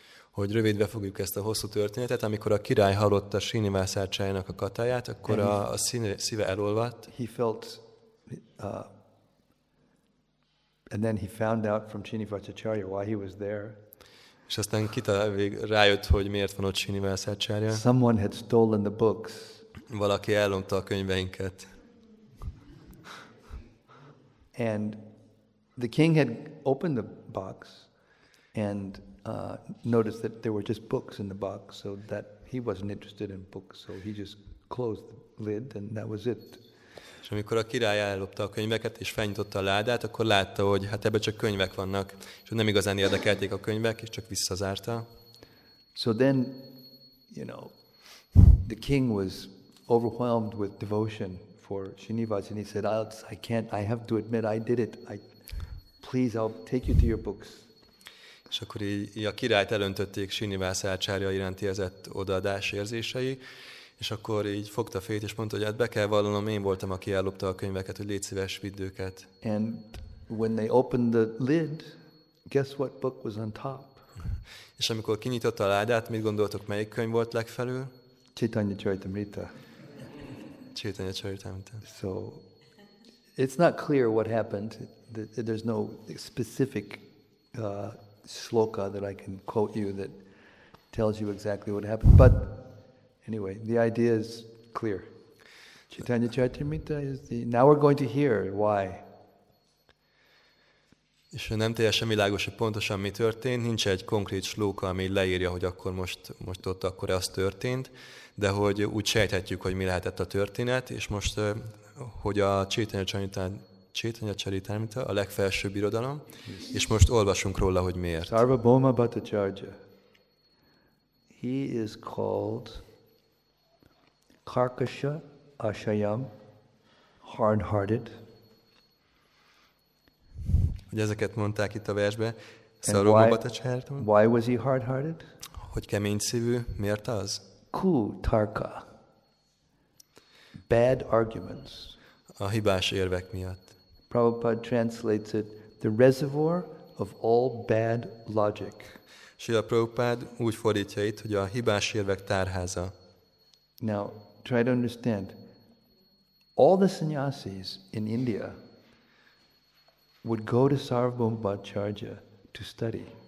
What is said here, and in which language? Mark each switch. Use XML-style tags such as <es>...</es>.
<hu>Hogy rövidbe fogjuk ezt a hosszú történetet, amikor a király hallotta Srinivas Acharyának a katáját, akkor a szíve elolvadt.</hu> <en>He felt, and then he found out from Srinivas Acharya why he was there.</en> <hu>És aztán rájött, hogy miért van ott Srinivas Acharya.</hu> <en>Someone had stolen the books.</en> <hu>Valaki ellopta a könyveinket.</hu> <en>And the king had opened the box and noticed that there were just books in the box, so that he wasn't interested in books, so he just closed the lid and that was it.</en> <hu>És amikor a király ellopta a könyveket és felnyitotta a ládát, akkor látta, hogy hát ebben csak könyvek vannak, és nem igazán érdekelték a könyvek, és csak visszazárta.</hu> <en>So then, you know, the king was overwhelmed with devotion for Srinivas, and he said, I have to admit, I did it. I'll take you to your books.</en> <hu>És akkor így a királyt elöntötték Srinivas Acharya iránti ezett odaadás érzései, és akkor így fogta fejét, és mondta, hogy hát be kell vallanom, én voltam, aki ellopta a könyveket, hogy légy szíves, vidd őket.</hu> <en>And when they opened the lid, guess what book was on top?</en> <hu>És amikor kinyitotta a ládát, mit gondoltok, melyik könyv volt legfelül?</hu> <en>Chaitanya Charitamrita.</en> <hu>Chaitanya Charitamrita.</hu> <en>So, it's not clear what happened. There's no specific sloka that I can quote you that tells you exactly what happened. But anyway, the idea is clear. Chaitanya Charitamrita is the... Now we're going to hear why.</en> <hu>És nem teljesen világos, hogy pontosan mi történt. Nincs egy konkrét sloka, ami leírja, hogy akkor most ott akkor az történt. De hogy úgy sejthetjük, hogy mi lehetett a történet, és most, hogy a Chaitanya Charitamrita a legfelsőbb irodalom, és most olvasunk róla, hogy miért.</hu> <en>Sarvabhauma Bhattacharya. He is called Karkasha Ashayam, hard-hearted.</en> <hu>Hogy ezeket mondták itt a versbe, Sarvabhauma Bhattacharya.</hu> <en>Why was he hard-hearted?</en> <hu>Hogy kemény szívű, miért az?</hu> <en>Ku tarka, bad arguments.</en> <hu>A hibás érvek miatt.</hu> <en>Prabhupada translates it, the reservoir of all bad logic.</en> <hu>Srila Prabhupada úgy fordítja itt, hogy a hibás érvek tárháza.</hu> <en>Now, try to understand. All the sannyasis in India would go to Sarvabhauma Bhattacharya to study.</en>